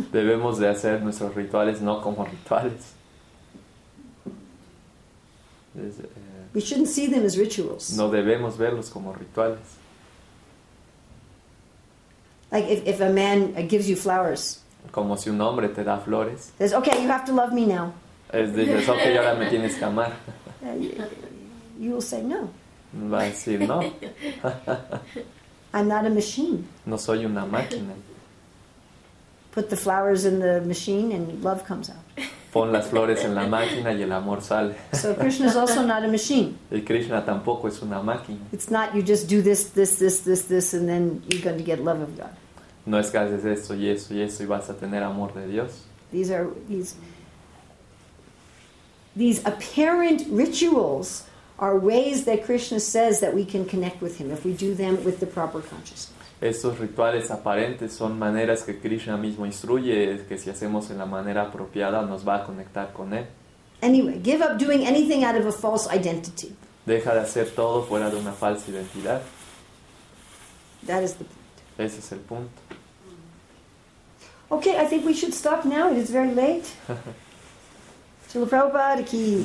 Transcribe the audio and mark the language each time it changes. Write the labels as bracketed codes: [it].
[es] Debemos de hacer nuestros rituales no como rituales. [en] We shouldn't see them as rituals. [es] No debemos verlos como rituales. [en] Like if a man gives you flowers. [es] Como si un hombre te da flores. [en] Says, okay, you have to love me now. [es] Es decir, es okay, ahora me tienes que amar. [en] You will say no. [es] Va a decir no. [en] I'm not a machine. [es] No soy una máquina. [en] Put the flowers in the machine and love comes out. [es] Pon las flores en la máquina y el amor sale. [en] So Krishna is also not a machine. [es] Y Krishna tampoco es una máquina. [en] It's not you just do this and then you're going to get love of God. [es] No es que haces esto y eso y eso y vas a tener amor de Dios. [en] These apparent rituals are ways that Krishna says that we can connect with him if we do them with the proper consciousness. [es] Estos rituales aparentes son maneras que Krishna mismo instruye que si hacemos en la manera apropiada nos va a conectar con él. [en] Anyway, give up doing anything out of a false identity. [es] Deja de hacer todo fuera de una falsa identidad. [en] That is the point. [es] Ese es el punto. [en] Okay, I think we should stop now. It is very late. Srila Prabhupada ki.